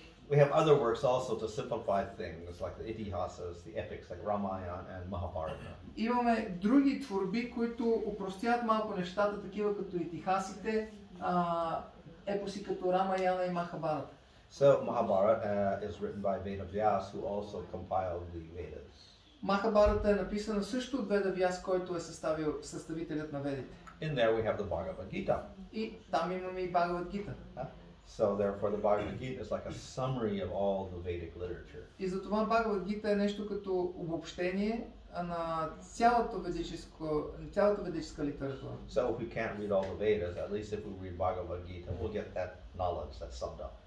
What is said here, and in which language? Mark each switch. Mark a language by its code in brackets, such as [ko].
[en] We have other works also to simplify things, like the Itihasas, the epics, like Ramayana and Mahabharata. [bg] Имаме други творби, които упростяват малко нещата, такива като Итихасите, епоси като Рамаяна и Махабарата. [en] So Mahabharata is written by Veda Vyas, who also compiled the Vedas. [bg] Махабарата е написана също от Веда Вяс, който е съставителят на ведите. [en] In there we have the Bhagavad Gita. [bg] И там имаме и Бхагавад Гита. [en] So therefore the Bhagavad Gita is like a summary of all the Vedic literature. [bg] И затова Бхагавад Гита е нещо като обобщение на цялата ведическа литература. [en] So if we can't read all the Vedas, at least if we read Bhagavad Gita, we'll get that knowledge that's summed up.